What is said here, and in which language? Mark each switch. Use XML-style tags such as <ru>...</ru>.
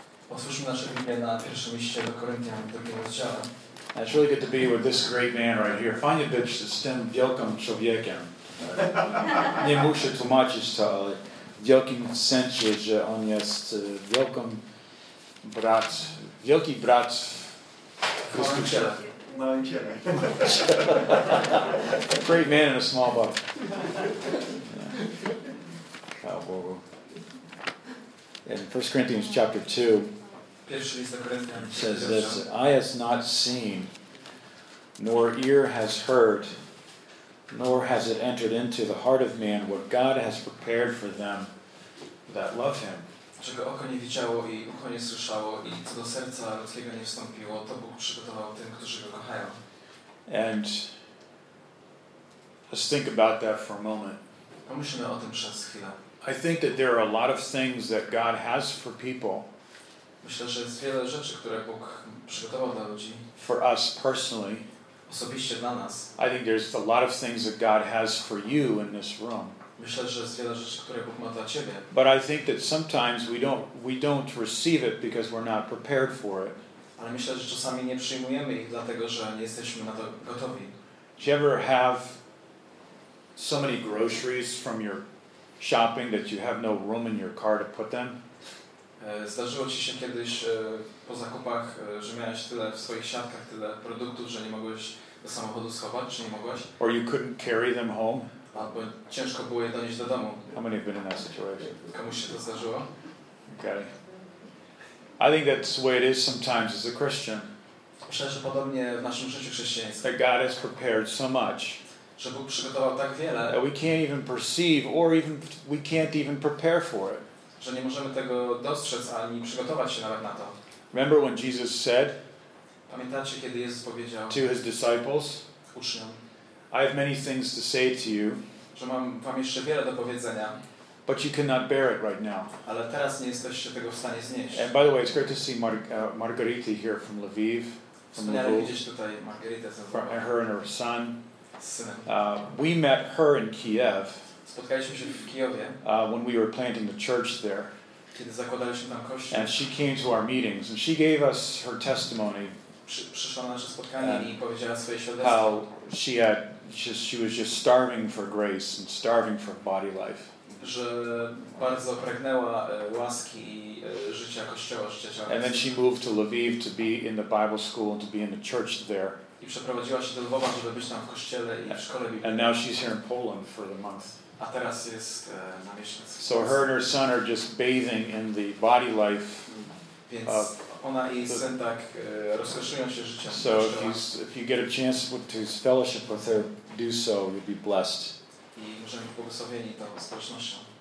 <pl>Otwórzmy nasze Biblię na pierwszym liście do Koryntian, drugiego rozdziału.</pl> <en>It's really good to be with this great man right here.</en> <pl>Fajnie być z tym wielkim człowiekiem. Nie muszę tłumaczyć to, ale w wielkim sensie, że on jest wielkim brat, wielki brat Chrystusa.</pl> <en>No, I'm kidding. Great man in a small body.</en> <pl>Chwała Bogu.</pl> <en>In 1 Corinthians chapter 2, it says this: eye has not seen, nor ear has heard, nor has it entered into the heart of man what God has prepared for them that love him.</en> <pl>Czego oko nie widziało i ucho nie słyszało i co do serca ludzkiego nie wstąpiło, to Bóg przygotował tym, którzy go kochają.</pl> <en>And let's think about that for a moment.</en> <pl>Pomyślmy o tym przez chwilę.</pl> <en>I think that there are a lot of things that God has for people.</en> <pl>Myślę, że jest wiele rzeczy, które Bóg przygotował dla ludzi.</pl> <en>For us personally.</en> <pl>Osobiście dla nas.</pl> <en>I think there's a lot of things that God has for you in this room.</en> <pl>Myślę, że jest wiele rzeczy, które Bóg ma dla ciebie.</pl> <en>But I think that sometimes we don't receive it because we're not prepared for it.</en> <pl>Ale myślę, że czasami nie przyjmujemy ich, dlatego że nie jesteśmy na to gotowi.</pl> <en>Do you ever have so many groceries from your shopping that you have no room in your car to put them?</en> <pl>Zdarzyło ci się kiedyś po zakupach, że miałeś tyle w swoich siatkach, tyle produktów, że nie mogłeś do samochodu schować, czy nie mogłeś?</pl> <en>Or you couldn't carry them home?</en> <pl>Albo ciężko było je donieść do domu.</pl> <en>How many have been in that situation?</en> <pl>Komuś się to zdarzyło?</pl> <en>Okay. I think that's the way it is sometimes as a Christian.</en> <pl>Myślę, że podobnie w naszym życiu chrześcijańskim.</pl> <en>That God has prepared so much.</en> <pl>Że Bóg przygotował tak wiele.</pl> <en>That we can't even perceive or even we can't even prepare for it.</en> <pl>Że nie możemy tego dostrzec ani przygotować się nawet na to.</pl> <en>Remember when Jesus said,</en> <pl>pamiętacie, kiedy Jezus powiedział</pl> <en>to his disciples,</en> <pl>uczniom,</pl> <en>I have many things to say to you,</en> <pl>że mam wam jeszcze wiele do powiedzenia,</pl> <en>but you cannot bear it right now.</en> <pl>Ale teraz nie jesteście tego w stanie znieść.</pl> <en>And by the way, it's great to see Margarita here from Lviv.</en> <pl>Wspaniale widzieć tutaj Margaritę z</pl> <en>Lwowa. Her and her son.</en> <pl>Synem.</pl> <en>We met her in Kiev.</en> <pl>Spotkaliśmy się w Kijowie.</pl> <en>When we were planting the church there.</en> <pl>Kiedy zakładaliśmy tam kościół.</pl> <en>And she came to our meetings and she gave us her testimony.</en> <pl>Przyszła na nasze spotkanie i powiedziała swoje świadectwo.</pl> <en>How she was just starving for grace and starving for body life.</en> <pl>Że bardzo pragnęła łaski i życia kościoła, życia ciała.</pl> <en>And then she moved to Lviv to be in the Bible school and to be in the church there.</en> <pl>I przeprowadziła się do Lwowa, żeby być tam w kościele i w szkole biblijnej.</pl> <en>And now she's here in Poland for the month.</en> <pl>A teraz jest na miesiąc.</pl> <en>So her and her son are just bathing in the body life.</en> <pl>Więc ona i jej syn tak rozkoszują się życiem.</pl> <en>So if you get a chance to fellowship with her, do so, you'll be blessed.</en> <pl>I możemy być błogosławieni tą społecznością.</pl>